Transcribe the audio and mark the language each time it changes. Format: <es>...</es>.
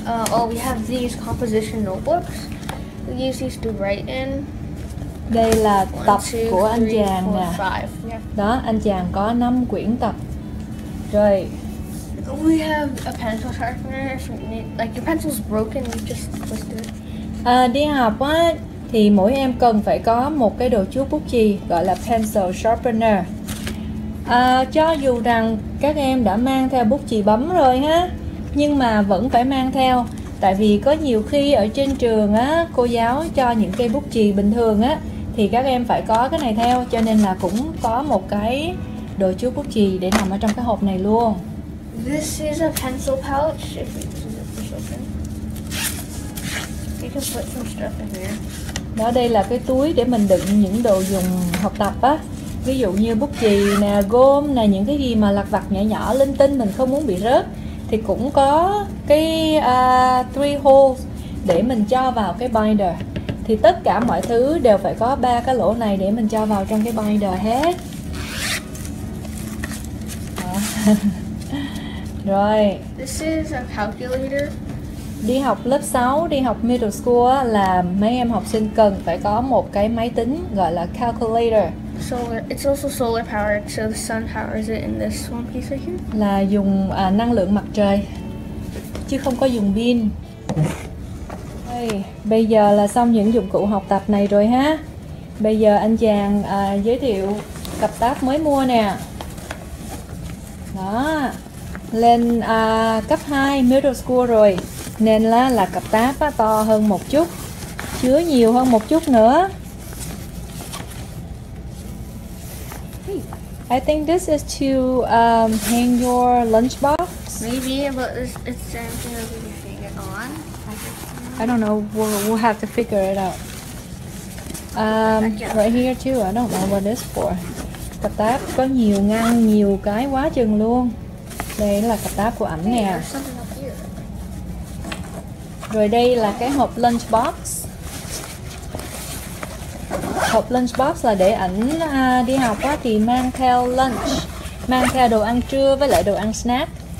<en>We have these composition notebooks. We use these to write in.</en> <vi>Đây là tập của anh chàng nè. Đó, anh chàng có 5 quyển tập. Rồi.</vi> <en>We have a pencil sharpener. Like your pencil's broken, you just twist it.</en> <vi>Đi học á thì mỗi em cần phải có một cái đồ chuốt bút chì gọi là pencil sharpener. Cho dù rằng các em đã mang theo bút chì bấm rồi ha, nhưng mà vẫn phải mang theo, tại vì có nhiều khi ở trên trường á cô giáo cho những cây bút chì bình thường á thì các em phải có cái này theo, cho nên là cũng có một cái đồ chứa bút chì để nằm ở trong cái hộp này luôn.</vi> <en>This is a pencil pouch. If it doesn't open, you can put some stuff in here.</en> <vi>Đó, đây là cái túi để mình đựng những đồ dùng học tập á. Ví dụ như bút chì nè, gôm nè, những cái gì mà lặt vặt nhỏ nhỏ linh tinh mình không muốn bị rớt thì cũng có cái three holes để mình cho vào cái binder. Thì tất cả mọi thứ đều phải có 3 cái lỗ này để mình cho vào trong cái binder hết. Rồi.</vi> <en>This is a calculator.</en> <vi>Đi học lớp 6, đi học middle school là mấy em học sinh cần phải có một cái máy tính gọi là calculator.</vi> <en>Solar, it's also solar powered, so the sun powers it in this one piece right here.</en> <vi>Là dùng năng lượng mặt trời chứ không có dùng pin. Hey, bây giờ là xong những dụng cụ học tập này rồi ha. Bây giờ anh chàng giới thiệu cặp tab mới mua nè. Đó, lên cấp 2 middle school rồi, nên là cặp tab to hơn một chút, chứa nhiều hơn một chút nữa.</vi> <en>I think this is to hang your lunchbox. Maybe, but it's something that we can hang it on. I don't know. We'll have to figure it out. Right here too. I don't know what it's for.</en> <vi>Cặp táp có nhiều ngăn, nhiều cái quá chừng luôn. Đây là cặp táp của ảnh nè. Rồi đây là cái hộp lunchbox. Hộp lunchbox là để ảnh đi học á thì mang theo lunch, mang theo đồ ăn trưa với lại đồ ăn snack.</vi>